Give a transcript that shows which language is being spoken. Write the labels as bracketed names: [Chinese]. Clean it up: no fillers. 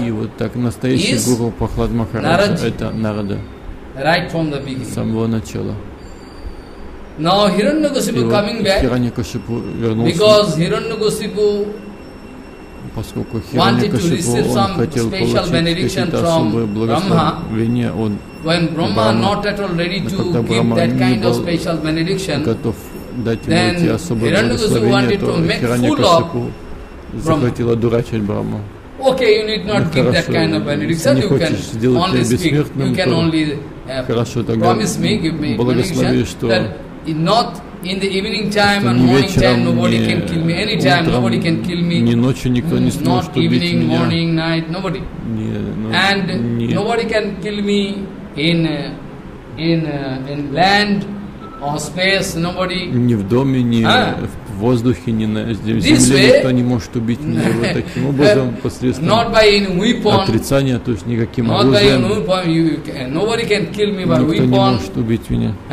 [Russian] Нарада. И вот так настоящий гуру Прахлад Махарадж – это Нарада. [English] Right from the beginning. [Russian] С самого начала. [English] Now Hiranya Kashipu coming back. [Russian] Хиранья Кашипу вернулся. [English] Because Hiranya Kashipu [Russian] поскольку Хиранья Кашипу он хотел получить какие-то особые благословения, он [English] when Brahma not at all ready to give Brahma that kind of special benediction, [Russian] готов дать ему эти особые благословения, то Хиранья Кашипу захотела дурачить Брахму. [English] Okay, you need not give that kind of benediction. You can only speak. You can only promise me, give me benediction. That not in the evening time or morning time, nobody can kill me. Any time, nobody can kill me. [Russian] Ни ночью никто не сможет убить меня. [English] Not evening, morning, night, nobody. And nobody can kill me in land or space. Nobody. [Russian] Ни в доме, ни в воздухе, ни на земле, никто не может убить меня вот таким образом, посредством отрицания, то есть никаким оружием, никто не может убить меня.